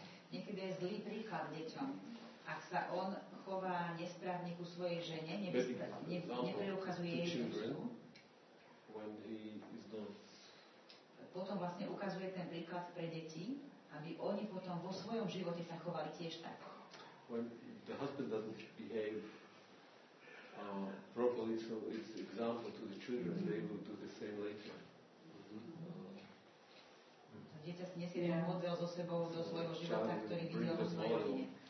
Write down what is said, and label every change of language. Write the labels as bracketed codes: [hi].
[sk] Niekedy je zlý príklad deťom. Ak sa on chová nesprávne ku svojej žene, nepreukazuje jej lásku. [en] and he is gone. [sk] Potom vlastne ukazuje ten príklad pre deti, aby oni potom vo svojom živote sa chovali tiež tak. [en] When the husband doesn't behave properly, so it's example to the children, mm-hmm. they will do the same later. [sk] A dieťa si nesie ten model zo sebou, do svojho života, ktorý videl vo svojej rodine.